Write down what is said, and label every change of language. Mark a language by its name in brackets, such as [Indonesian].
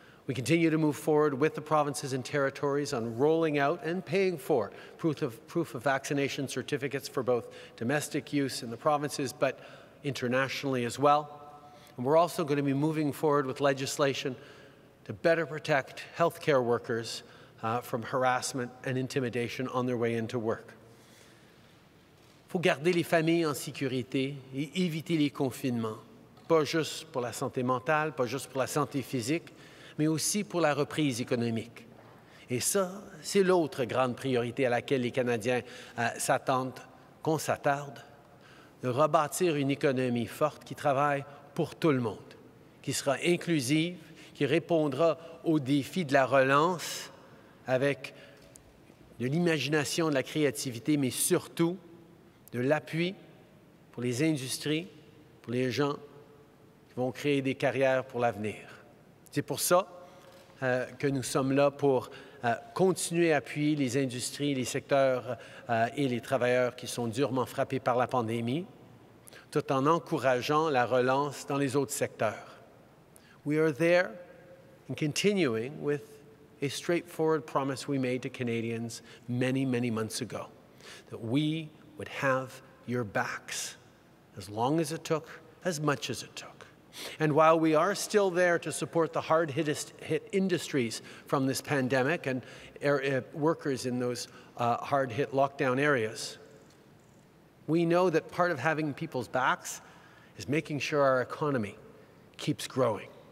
[English] We continue to move forward with the provinces and territories on rolling out and paying for proof of vaccination certificates for both domestic use in the provinces, but internationally as well. And we're also going to be moving forward with legislation to better protect healthcare workers from harassment and intimidation on their way into work. [French] Il faut garder les familles en sécurité et éviter les confinements, pas juste pour la santé mentale, pas juste pour la santé physique, mais aussi pour la reprise économique. Et ça, c'est l'autre grande priorité à laquelle les Canadiens s'attendent, qu'on s'attarde, de rebâtir une économie forte qui travaille pour tout le monde, qui sera inclusive, qui répondra aux défis de la relance avec de l'imagination, de la créativité, mais surtout de l'appui pour les industries, pour les gens qui vont créer des carrières pour l'avenir. C'est pour ça que nous sommes là pour continuer à appuyer les industries, les secteurs et les travailleurs qui sont durement frappés par la pandémie, tout en encourageant la relance dans les autres secteurs. [English] We are there in continuing with a straightforward promise we made to Canadians many, many months ago, that we would have your backs as long as it took, as much as it took. And while we are still there to support the hard-hit industries from this pandemic and workers in those hard-hit lockdown areas, we know that part of having people's backs is making sure our economy keeps growing.